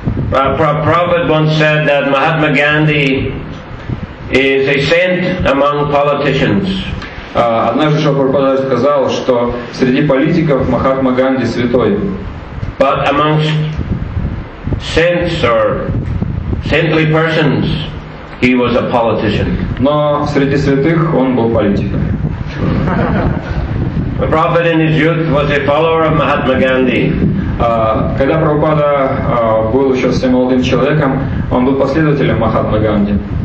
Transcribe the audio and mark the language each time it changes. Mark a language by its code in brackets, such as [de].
[en] Prabhupada once said that Mahatma Gandhi is a saint among politicians. [ru] Однажды Шрила Прабхупада сказал, что среди политиков Махатма Ганди святой. [en] But amongst saints or saintly persons, he was a politician. [ru] Но среди святых он был политиком. [en] The Prophet in his youth was a follower of Mahatma Gandhi. [ru] Когда Прабхупада был еще совсем молодым человеком, он был последователем Махатмы Ганди.